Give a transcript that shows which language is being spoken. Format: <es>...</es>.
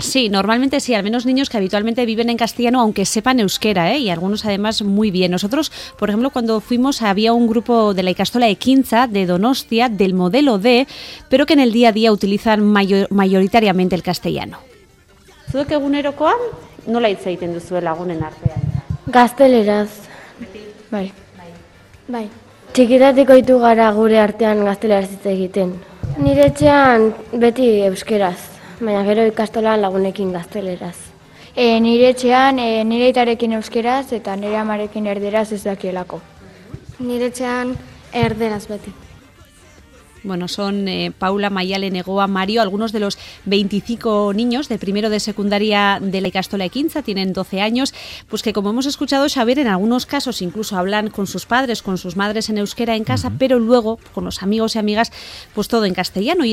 <es>Sí, normalmente sí, al menos niños que habitualmente viven en castellano, aunque sepan euskera, y algunos además muy bien. Nosotros, por ejemplo, cuando fuimos había un grupo de la Ikastola de Quinza, de Donostia, del modelo D, pero que en el día a día utilizan mayoritariamente el castellano.</es> <eu>Zuek egunerokoan, nola hitz egiten duzue lagunen artean? Gazteleraz. Bai. Bai. Txikitatik oitu gara gure artean gazteleraz hitz egiten. Nire etxean beti euskeraz, baina gero ikastolan lagunekin gazteleraz. Nire etxean nire aitarekin euskeraz eta nire amarekin erderaz ez dakielako. Nire etxean erderaz beti.</eu> <es>Bueno, son Paula, Maialen, Egoa, Mario, algunos de los 25 niños de primero de secundaria de la Ikastola de Quinza, tienen 12 años, pues que como hemos escuchado, Xavier, en algunos casos incluso hablan con sus padres, con sus madres en euskera en casa, uh-huh. Pero luego, con los amigos y amigas, pues todo en castellano.</es>